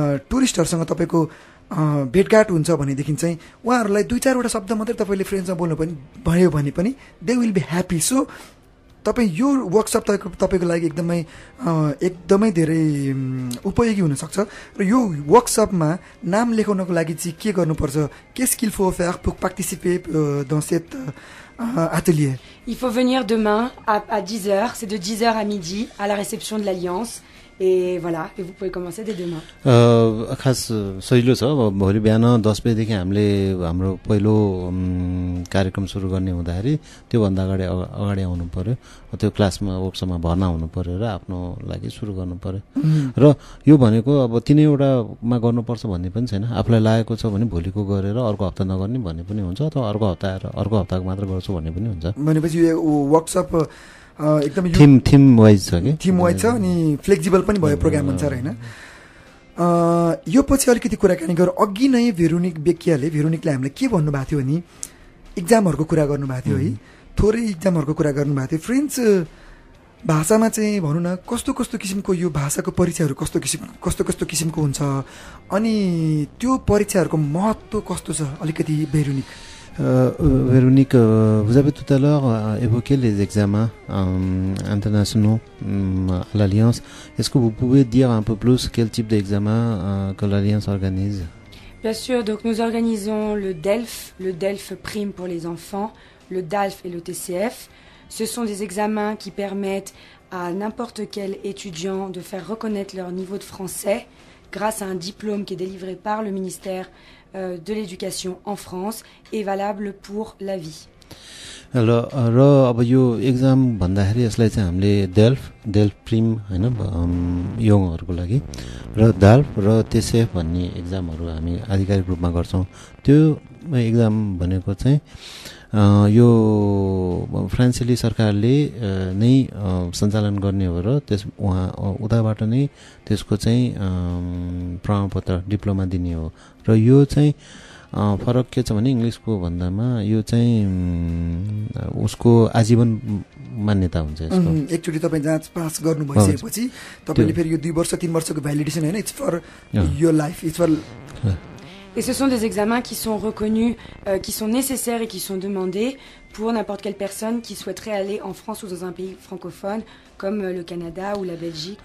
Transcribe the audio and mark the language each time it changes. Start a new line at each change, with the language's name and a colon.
Nepali: टुरिस्टहरूसँग तपाईँको भेटघाट हुन्छ भनेदेखि चाहिँ उहाँहरूलाई दुई चारवटा शब्द मात्रै तपाईँले फ्रेन्चमा बोल्नु पनि भयो भने पनि
English: they will be happy
Nepali: so तपाईँ यो वर्कसप तपाईँको लागि एकदमै धेरै उपयोगी हुनसक्छ र यो वर्कसपमा नाम लेखाउनको लागि चाहिँ के गर्नुपर्छ के
French: स्किल फो फ्याक फुक पार्टिसिपे दसेत आतुलिए Il faut venir demain à 10h, c'est de 10h à midi à la réception de l'Alliance. Et voilà, et vous pouvez commencer dès demain.
Nepali: खास सजिलो छ भोलि बिहान 10 बजेदेखि हामीले हाम्रो पहिलो कार्यक्रम सुरु गर्ने हुँदाखेरि त्योभन्दा अगाडि आउनु पऱ्यो त्यो क्लासमा वर्कसपमा भर्ना हुनु पऱ्यो र आफ्नो लागि सुरु गर्नु पऱ्यो र यो भनेको अब तिनैवटामा गर्नुपर्छ भन्ने पनि छैन आफूलाई लागेको छ भने भोलिको गरेर अर्को हप्ता नगर्ने भन्ने पनि हुन्छ अथवा अर्को हप्ता आएर अर्को हप्ताको मात्र गर्छु भन्ने पनि हुन्छ भनेपछि वर्कसप एकदमै थिम वाइज छ अनि फ्लेक्जिबल पनि भयो प्रोग्राम अनुसार होइन यो पछि अलिकति कुराकानी गरौँ अघि नै भेरोनिक बेकियाले भेरोनिकले हामीलाई के भन्नुभएको थियो भने इक्जामहरूको कुरा गर्नुभएको थियो है थोरै इक्जामहरूको कुरा गर्नुभएको थियो फ्रेन्च भाषामा चाहिँ भनौँ न कस्तो कस्तो किसिमको यो भाषाको परीक्षाहरू कस्तो कस्तो किसिमको हुन्छ अनि त्यो परीक्षाहरूको महत्त्व कस्तो छ अलिकति भेरोनिक
French: Véronique, vous avez tout à l'heure évoqué les examens internationaux à l'Alliance. Est-ce que vous pouvez dire un peu plus quel type d'examen que l'Alliance organise ? Bien sûr, donc nous organisons le DELF prime pour les enfants, le DALF et le TCF. Ce sont des examens qui permettent à n'importe quel étudiant de faire reconnaître leur niveau de français grâce à un diplôme qui est délivré par le ministère de l'éducation en France est valable pour la vie. Alors
Nepali: र अब यो exam भन्दाखेरि यसलाई चाहिँ हामीले DELF prim हैन यङहरुको लागि र DALF र TCF भन्ने एग्जामहरु हामी आधिकारिक रूपमा गर्छौं त्यो एग्जाम भनेको चाहिँ यो फ्रान्सेली सरकारले नै सञ्चालन गर्ने हो र त्यस उहाँ उताबाट नै त्यसको चाहिँ प्रमाणपत्र डिप्लोमा दिने हो र यो चाहिँ फरक के छ भने इङ्ग्लिसको भन्दामा यो चाहिँ उसको आजीवन मान्यता हुन्छ एकचोटि तपाईँ जाँच पास गर्नु भइसकेपछि तपाईँले फेरि यो 2-3 वर्षको भ्यालिडेसन होइन
English: it's for your life it's for
French: Et ce sont des examens qui sont reconnus, qui sont nécessaires et qui sont demandés pour n'importe quelle personne qui souhaiterait aller en France ou dans un pays francophone comme le Canada ou la Belgique.